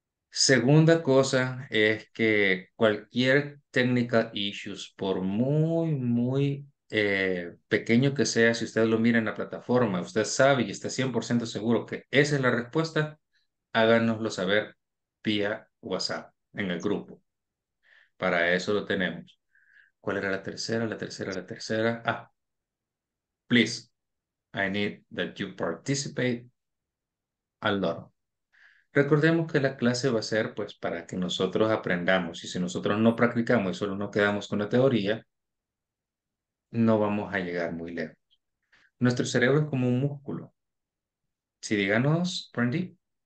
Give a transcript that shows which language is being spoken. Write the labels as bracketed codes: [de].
[es] Segunda cosa es que cualquier technical issues, por muy, muy pequeño que sea, si usted lo mira en la plataforma, usted sabe y está 100% seguro que esa es la respuesta, háganoslo saber vía WhatsApp en el grupo. Para eso lo tenemos. ¿Cuál era la tercera? [en] Ah, please, I need that you participate a lot. [es] Recordemos que la clase va a ser pues para que nosotros aprendamos, y si nosotros no practicamos y solo nos quedamos con la teoría, no vamos a llegar muy lejos. Nuestro cerebro es como un músculo. Sí, díganos, Brandy.